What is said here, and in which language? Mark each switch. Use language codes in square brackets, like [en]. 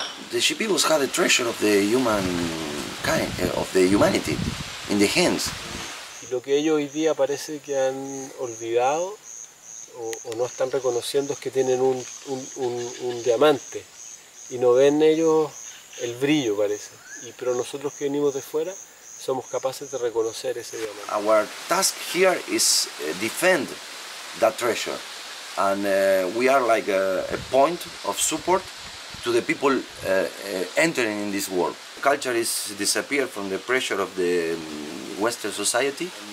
[en] The Shipibos had a treasure of the human kind, of the humanity, in the hands. [es] Lo que ellos hoy día parece que han olvidado o no están reconociendo es que tienen un diamante y no ven ellos el brillo, parece. Y pero nosotros que venimos de fuera somos capaces de reconocer ese diamante. [en] Our task here is defend that treasure, and we are like a point of support to the people entering in this world. Culture is disappeared from the pressure of the Western society.